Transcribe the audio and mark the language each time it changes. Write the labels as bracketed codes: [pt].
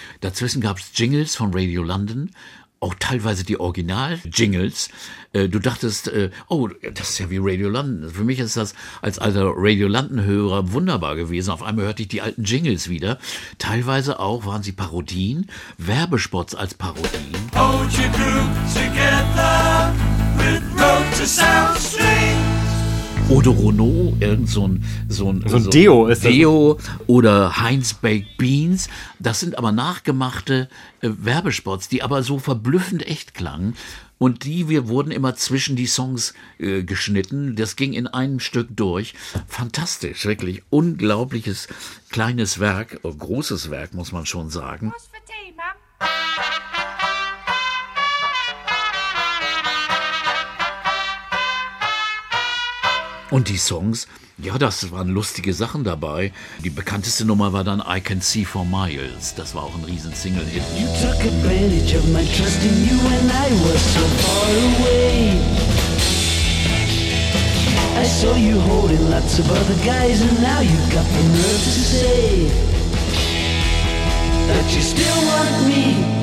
[de] Dazwischen gab es Jingles von Radio London, auch teilweise die Original-Jingles. Du dachtest, das ist ja wie Radio London. Für mich ist das als alter Radio London-Hörer wunderbar gewesen. Auf einmal hörte ich die alten Jingles wieder. Teilweise auch waren sie Parodien, Werbespots als Parodien. [en] Hold your group together with Road to South Street. [de] Oder Renault, irgend so ein Deo ist das. Deo oder Heinz Baked Beans. Das sind aber nachgemachte Werbespots, die aber so verblüffend echt klangen. Und wir wurden immer zwischen die Songs geschnitten. Das ging in einem Stück durch. Fantastisch, wirklich unglaubliches kleines Werk, großes Werk, muss man schon sagen. Was für Tee, Mom? Und die Songs, ja, das waren lustige Sachen dabei. Die bekannteste Nummer war dann I Can See for Miles. Das war auch ein riesen Single-Hit. [en] You took advantage of my trust in you when I was so far away. I saw you holding lots of other guys and now you've got the nerve to say that you still want me.